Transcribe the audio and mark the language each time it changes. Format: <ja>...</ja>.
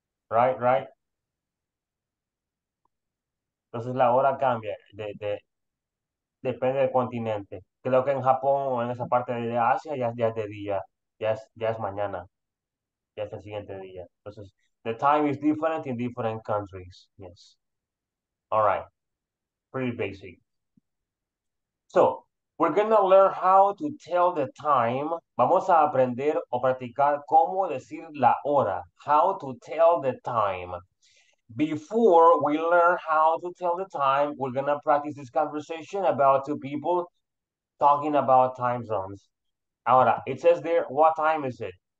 <en>Right?</en> <es>Entonces la hora cambia de depende del continente. Creo que en Japón o en esa parte de Asia ya es de día, ya es mañana, ya es el siguiente día. Entonces,</es> <en>the time is different in different countries. Yes. All right. Pretty basic. So, we're going to learn how to tell the time.</en> <es>Vamos a aprender o practicar cómo decir la hora.</es> <en>How to tell the time. Before we learn how to tell the time, we're going to practice this conversation about two people talking about time zones.</en> <es>Ahora,</es> <en>it says there, what time is it?</en>